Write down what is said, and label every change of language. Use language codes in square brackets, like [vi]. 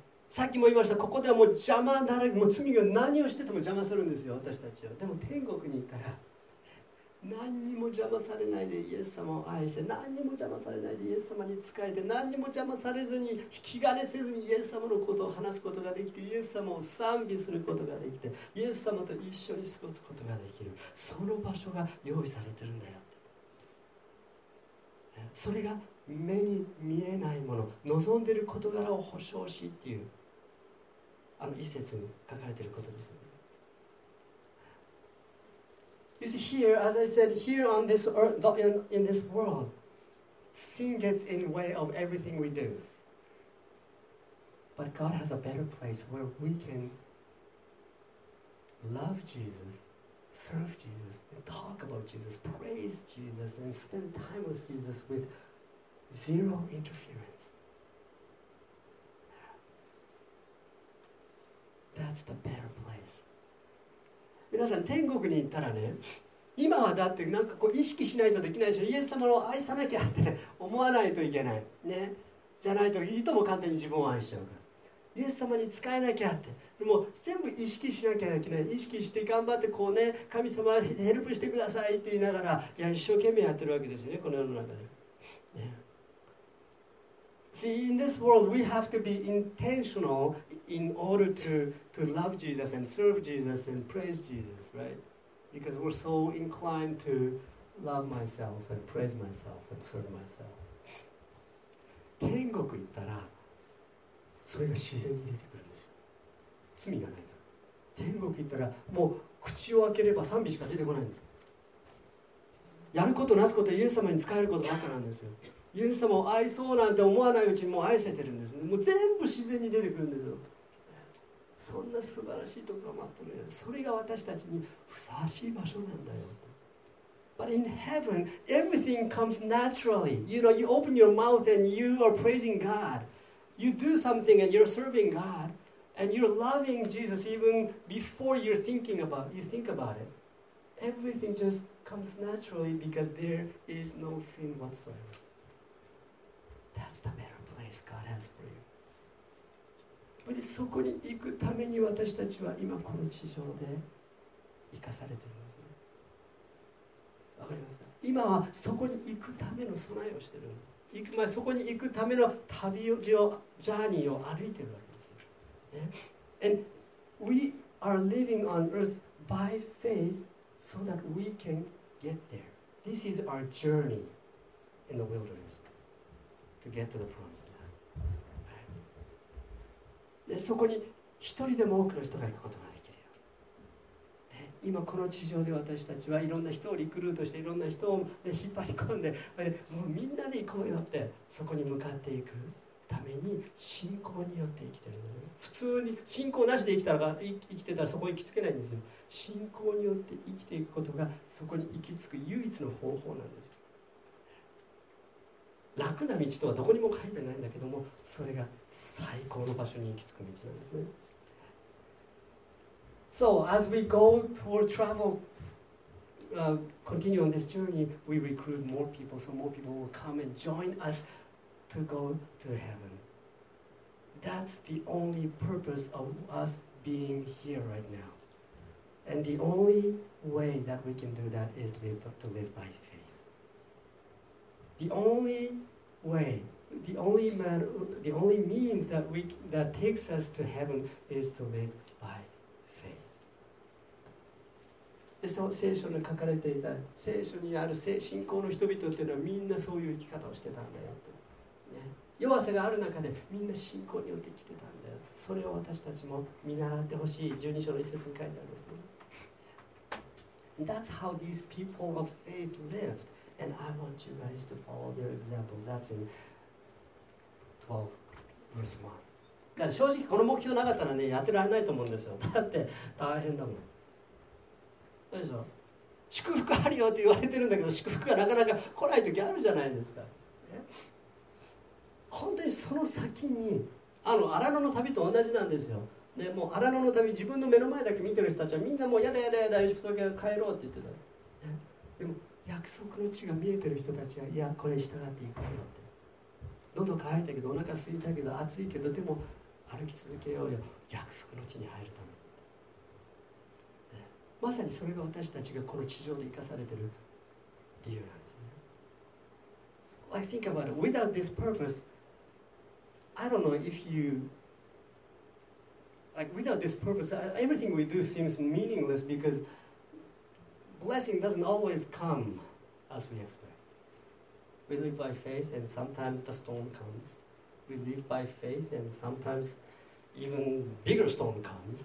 [ja] さっきも言いました、ここではもう邪魔だらけ、もう罪が何をしてても邪魔するんですよ、私たちは。でも天国に行ったら、何にも邪魔されないでイエス様を愛して、何にも邪魔されないでイエス様に仕えて、何にも邪魔されずに引き金せずにイエス様のことを話すことができて、イエス様を賛美することができて、イエス様と一緒に過ごすことができる、その場所が用意されてるんだよって。それが目に見えないもの、望んでる事柄を保証しっていう、あの一節に書かれていることですよね。 [en] You see, here, as I said, here on this earth, in this world, sin gets in the way of everything we do. But God has a better place where we can love Jesus, serve Jesus, and talk about Jesus, praise Jesus, and spend time with Jesus with zero interference. That's the better place. [ja] 皆さん天国に行ったらね、今はだってなんかこう意識しないとできないでしょ。イエス様を愛さなきゃって思わないといけない、ね、じゃないといいとも簡単に自分を愛しちゃうから、イエス様に仕えなきゃってもう全部意識しなきゃいけない、意識して頑張ってこうね、神様ヘルプしてくださいって言いながら、いや一生懸命やってるわけですよね、この世の中で、ね、 [en] See, in this world we have to be intentionalin order to love Jesus and serve Jesus and praise Jesus, right? Because we're so inclined to love myself and praise myself and serve myself. [ja] 天国行ったらそれが自然に出てくるんですよ。罪がないから。天国行ったらもう口を開ければ賛美しか出てこないんです。やることなすことイエス様に仕えることばかなんですよ。イエス様を愛そうなんて思わないうちにもう愛せてるんですね。もう全部自然に出てくるんですよ。そんな素晴らしいところが待ってるよ。それが私たちにふさわしい場所なんだよ。 [en] But in heaven, everything comes naturally. You know, you open your mouth and you are praising God. You do something and you're serving God. And you're loving Jesus even before you think about it. Everything just comes naturally because there is no sin whatsoever. That's the better place God has for you. But [ja] そこに行くために私たちは今この地上で生かされているんですね。わかりますか？今はそこに行くための備えをしているんです。行く前、そこに行くための旅路を、ジャーニーを歩いているわけです。 [en] ね、And we are living on earth by faith so that we can get there. This is our journey in the wilderness to get to the promised land.、 [ja] ね、そこに一人でも多くの人が行くことができるよ、ね。今この地上で私たちはいろんな人をリクルートしていろんな人を、ね、引っ張り込んで、もうみんなで行こうよってそこに向かっていく。ために信仰によって生きてるのよ。普通に信仰なしで生きたら、生きてたらそこに行き着けないんですよ。信仰によって生きていくことがそこに行き着く唯一の方法なんですよ。楽な道とはどこにも書いてないんだけども、それが最高の場所に行き着く道なんですね。 [en] So as we go toward travel、continue on this journey, we recruit more people, so more people will come and join usTo go to heaven. That's the only purpose of us being here right now. And the only way that we can do that is to live by faith. The only way, the only means that takes us to heaven is to live by faith. [ja] で、その聖書に書かれていた、聖書にある信仰の人々というのはみんなそういう生き方をしてたんだよと。弱さがある中でみんな信仰によって生きてたんだよ。それを私たちも見習ってほしい。12章の一節に書いてあるんですね。 [en] That's how these people of faith lived. And I want you guys to follow their example. That's in 12 verse 1. [ja] だから正直この目標なかったらね、やってられないと思うんですよ。だって大変だもん。どうでしょう。祝福あるよって言われてるんだけど、祝福がなかなか来ない時あるじゃないですか。本当にその先に、荒野の旅と同じなんですよ。ね、もう荒野の旅、自分の目の前だけ見てる人たちはみんなもうやだやだやだ、仏帰ろうって言ってた、ね。でも約束の地が見えてる人たちは、いや、これ従っていくよって。喉渇いたけど、お腹空いたけど、暑いけど、でも歩き続けようよ。約束の地に入るために、ね。まさにそれが私たちがこの地上で生かされてる理由なんですね。 [en] I think about it. Without this purpose,I don't know if you, like without this purpose, everything we do seems meaningless because blessing doesn't always come as we expect. We live by faith and sometimes the storm comes. We live by faith and sometimes even bigger storm comes.